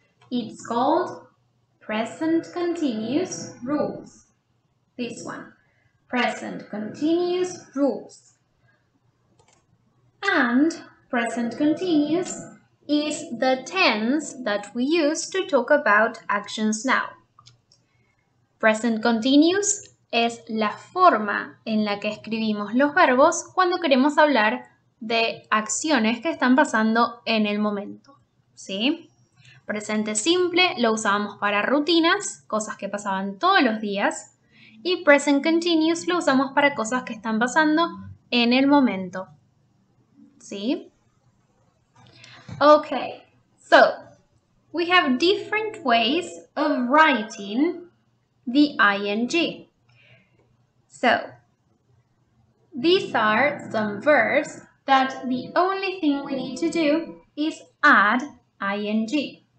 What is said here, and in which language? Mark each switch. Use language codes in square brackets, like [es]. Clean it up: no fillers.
[en] It's called Present Continuous Rules. This one. Present Continuous Rules. And Present Continuous is the tense that we use to talk about actions now. [es] Present Continuous es la forma en la que escribimos los verbos cuando queremos hablar de acciones que están pasando en el momento, ¿sí? Presente simple lo usamos para rutinas, cosas que pasaban todos los días. Y present continuous lo usamos para cosas que están pasando en el momento, ¿sí? [en] Okay, so we have different ways of writing the ing. So, these are some verbs that the only thing we need to do is add ing.